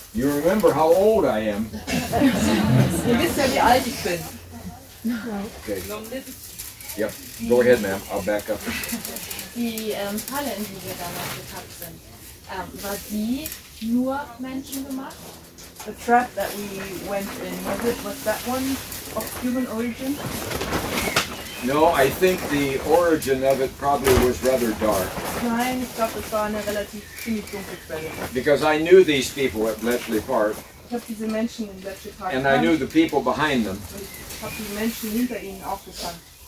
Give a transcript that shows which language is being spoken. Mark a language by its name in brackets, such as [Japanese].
[English] You remember how old I am. [German] Ihr wisst ja, wie alt ich bin. [English] Okay. Yep, go ahead, ma'am. I'll back up. [German] Die Falle, in die wir damals getappt sind, war die nur menschengemacht? [English] The trap that we went in, was that one of human origin? No, I think the origin of it probably was rather dark. [German] Nein, ich glaube, das war eine relativ ziemlich dunkle Quelle. [English] Because I knew these people at Bletchley Park. [German] Ich habe diese Menschen in Bletchley Park. [English] And I knew the people behind them. [German] Ich habe die Menschen hinter ihnen auch gekannt.